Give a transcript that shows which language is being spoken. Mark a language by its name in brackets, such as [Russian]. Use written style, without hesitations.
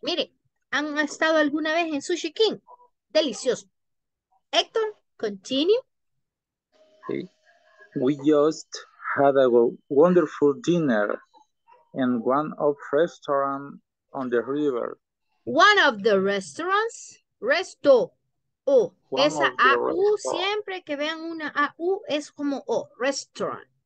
[Spanish] Miren, ¿han estado alguna vez en Sushi King? Delicioso. Héctor, continue. Okay. [English] We just had a wonderful dinner in one of the restaurants on the river. One of the restaurants? Resto. [Spanish] Oh, esa AU, siempre que vean una AU, es como O, restaurant.